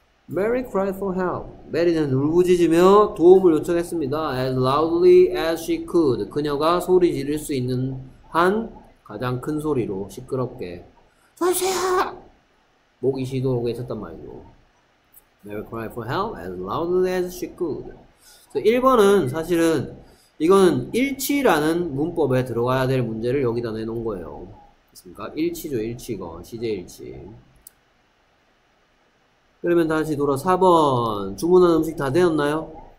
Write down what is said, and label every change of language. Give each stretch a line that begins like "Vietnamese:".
English: Mary cried for help.
Korean: 메리는 울부짖으며 도움을 요청했습니다.
English: As loudly as she could.
Korean: 그녀가 소리 지를 수 있는 한 가장 큰 소리로 시끄럽게. 도와주세요! 목이 쉬도록 외쳤단 말이죠.
English: Mary cried for help as loudly as she could.
Korean: 1번은 사실은 이거는 일치라는 문법에 들어가야 될 문제를 여기다 내놓은 거예요. 됐습니까? 일치죠, 일치건. 시제일치. 그러면 다시 돌아 4번. 주문한 음식 다 되었나요?